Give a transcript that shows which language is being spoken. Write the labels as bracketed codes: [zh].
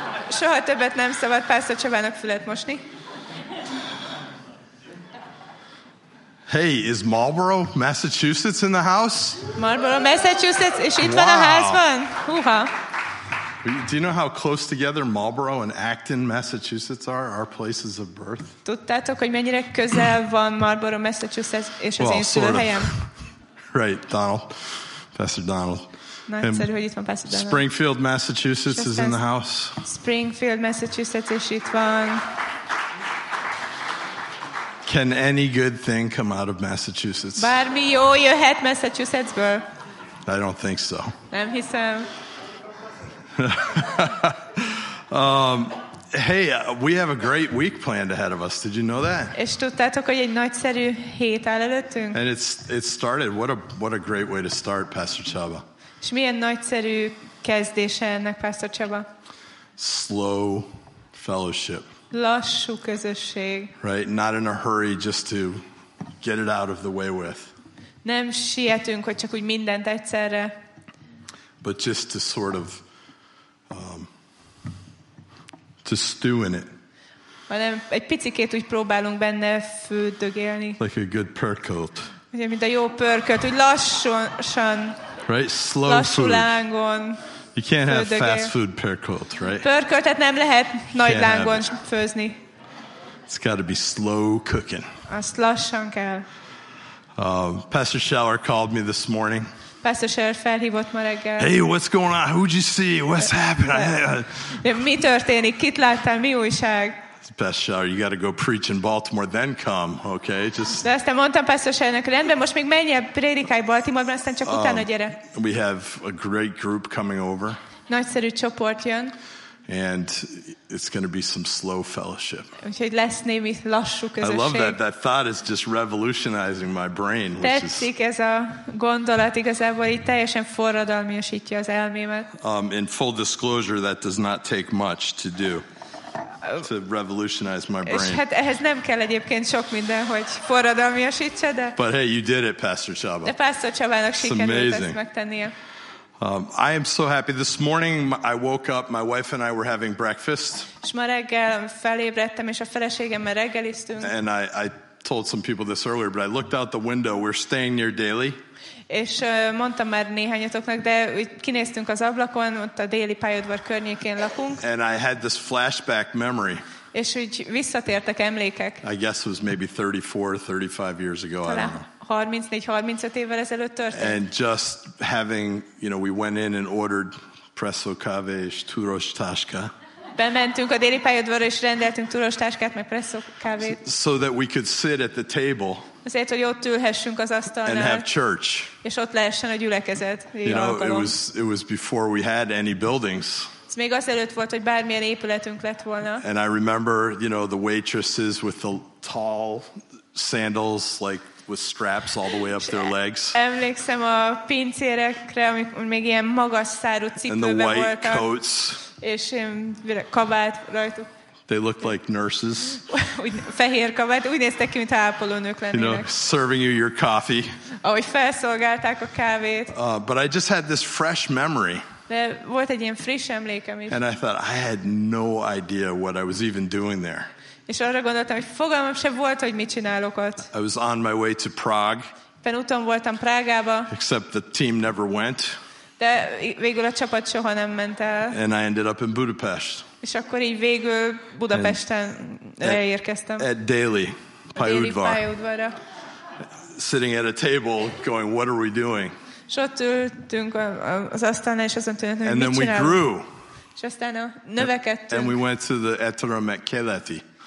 [hu] Soha többet nem szabad Pásztor Csabának fület mosni. [en] Hey, is Marlboro, Massachusetts in the house? [hu] Marlboro, Massachusetts, és itt van a házban. Húha. [en] Do you know how close together Marlboro and Acton, Massachusetts are, our places of birth? [hu] Tudtátok, hogy mennyire közel van Marlboro, Massachusetts és az én szülőhelyem? [en] Right, Donald. Pastor Donald. [hu] Nagyszerű, hogy itt van Pastor Donald. [en] Springfield, Massachusetts is in the house. [hu] Springfield, Massachusetts is itt van. [en] Can any good thing come out of Massachusetts? [hu] Bármi jó jöhet Massachusettsből? [en] I don't think so. [hu] Nem hiszem. [en] We have a great week planned ahead of us. Did you know that? [hu] És tudtátok, hogy egy nagyszerű hét áll előttünk? [en] And it's started. What a great way to start, Pastor Csaba. [hu] És milyen nagyszerű kezdése ennek, Pastor Csaba? [en] Slow fellowship. [hu] Lassú közösség. [en] Right, not in a hurry just to get it out of the way with. [hu] Nem sietünk, hogy csak úgy mindent egyszerre. [en] But just to sort of to stew in it. [hu] Hanem egy picikét úgy próbálunk benne fődögélni. [en] Like a good percolt. [hu] Ugye, mint a jó percolt, úgy lassan. [en] Right, slow [hu] lassú [en] food. [hu] Lángon. [en] You can't have fast food percolt, right? [hu] Pörköltet nem lehet nagy lángon főzni. [en] It's got to be slow cooking. [hu] Azt lassan kell. [en] Pastor Scheller called me this morning. [hu] Pastor Scheller felhívott ma reggel. [en] Hey, what's going on? Who'd you see? What's happened? [hu] Mi történik? Kit láttál? Mi újság? [en] Pastor Scheller, you got to go preach in Baltimore, then come, okay? [hu] De aztán mondtam Pastor Schellernek, rendben, most még menj el, prédikálj Baltimore, aztán csak utána gyere. [en] We have a great group coming over. [hu] Nagyszerű csoport jön. [en] And it's going to be some slow fellowship. [hu] Úgyhogy lesz némi lassú közösség. [en] I love that. That thought is just revolutionizing my brain. [hu] Tetszik ez a gondolat, igazából így teljesen forradalmiasítja az elmémet. [en] In full disclosure, that does not take much to do. To revolutionize my brain. [hu] Hát ehhez nem kell egyébként sok minden, hogy forradalmiasítsa, de... [en] But hey, you did it, Pastor Csaba. [hu] De Pastor Csabának sikerült ezt megtennie. [en] I am so happy. This morning I woke up, my wife and I were having breakfast. [hu] És ma reggel felébredtem, és a feleségemmel reggeliztünk. [en] And I told some people this earlier, but I looked out the window. We're staying near Daly. [hu] És mondtam már néhányatoknak, de kinéztünk az ablakon, ott a déli pályaudvar környékén lakunk. [en] And I had this flashback memory. [hu] És úgy visszatértek emlékek. [en] I guess it was maybe 34, 35 years ago, [hu] talán [en] I don't know. [hu] 34-35 évvel ezelőtt történt. [en] And just having, you know, we went in and ordered [hu] presso cave és turos táska. Bementünk a déli pályaudvarra és rendeltünk turos táskát, meg presso kávét. [en] So that we could sit at the table. [hu] Azért, hogy ott ülhessünk az asztalnál. [en] And have church. [hu] És ott lehessen a gyülekezet. [en] You know, [hu] alkalom. [en] it was before we had any buildings. [hu] Ez még azelőtt volt, hogy bármilyen épületünk lett volna. [en] And I remember, you know, the waitresses with the tall sandals, like with straps all the way up their legs. [hu] Emlékszem a pincérekre, amikor még ilyen magas szárú cipőben voltak. [en] And the white coats. [hu] És kabát rajtuk. [en] They looked like nurses. [hu] Fehér kabát, úgy néztek ki, mint ápolónők lennének. [en] You know, serving you your coffee. [hu] Ahogy felszolgálták a kávét. [en] But I just had this fresh memory. [hu] De volt egy ilyen friss emlékem is. [en] And I thought, I had no idea what I was even doing there. [hu] És arra gondoltam, hogy fogalmam sem volt, hogy mit csinálok ott. [en] I was on my way to Prague. [hu] Fenn úton voltam Prágába. [en] Except the team never went. [hu] De végül a csapat soha nem ment el. [en] And I ended up in Budapest. [hu] És akkor így végül Budapesten elérkeztem. [en] At Daly, [hu] Pályaudvar. Pályaudvarra. [en] Sitting at a table going, what are we doing? [hu] És ott ültünk az asztalnál, és azon tűnt, hogy [en] and then [hu] csinálunk. [en] We grew. [hu] És aztán növekedtünk. [en] And we went to the Etterom at Keleti.